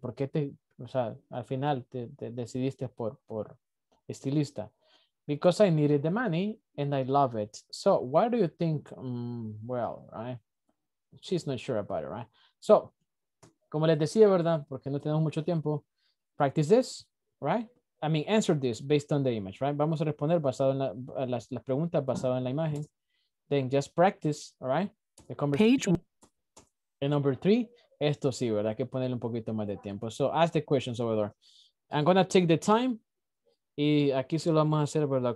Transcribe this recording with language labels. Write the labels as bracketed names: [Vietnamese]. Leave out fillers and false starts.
[Spanish] ¿Por qué te, o sea, al final te decidiste por estilista? [English] Because I needed the money and I love it. So why do you think, well, right? She's not sure about it, right? [Spanish] So, como les decía, ¿verdad? Porque no tenemos mucho tiempo. [English] Practice this, right? I mean, answer this based on the image, right? [Spanish] Vamos a responder basado en las preguntas basado en la imagen. [English] Then just practice, all right? The conversation. Page and number three, [Spanish] Esto sí, ¿verdad? Hay que ponerle un poquito más de tiempo. [English] So, ask the questions over there. I'm going to take the time. [Spanish] Y aquí se lo vamos a hacer, ¿verdad?